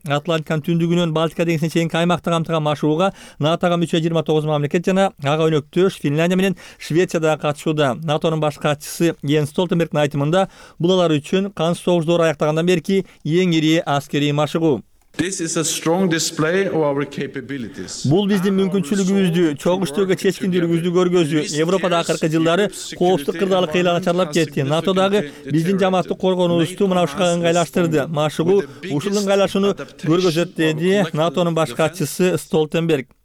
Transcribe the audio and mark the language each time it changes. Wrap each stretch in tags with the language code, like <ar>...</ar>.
<ky>Атлантиканын түндүгүнөн Балтика деңизине чейин каймакты камтыган машыгууга НАТОга мүчө 29 мамлекет жана ага өнөктөш Финляндия менен Швеция дагы катышууда. НАТОнун баш катчысы Йенс Столтенбергдин айтымында бул алар үчүн кансыз согуш доору аяктагандан берки эң ири аскерий машыгуу.</ky> <en>This is a strong display of our capabilities.</en> <ky>Бул биздин мүмкүнчүлүгүбүздү, чогуштоого чечкиндүүлүгүбүздү көргөзүү. Европада акыркы жылдары коопсуздук кырдаалы кыйлага чарлап кетти. НАТО дагы биздин жамаатты коргонуубузду мына ушуга ыңгайлаштырды. Машыгуу ушул ыңгайлашууну көргөзөт, деди НАТОнун баш катчысы Столтенберг.</ky>